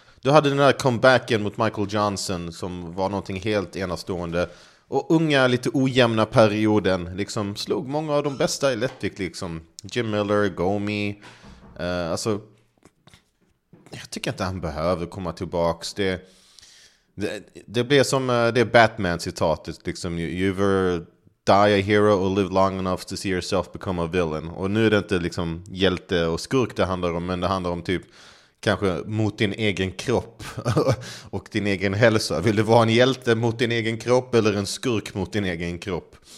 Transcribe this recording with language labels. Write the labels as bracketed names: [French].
[Swedish] Du hade den där comebacken mot Michael Johnson som var någonting helt enastående. Och unga, lite ojämna perioden, liksom, slog många av de bästa i lättvikt, liksom. Jim Miller, Gomi, alltså... Jag tycker inte han behöver komma tillbaks. Det blir som det Batman-citatet. Liksom, [English] you ever die a hero or live long enough to see yourself become a villain. [Swedish] Och nu är det inte liksom hjälte och skurk det handlar om. Men det handlar om typ kanske mot din egen kropp och din egen hälsa. Vill du vara en hjälte mot din egen kropp eller en skurk mot din egen kropp?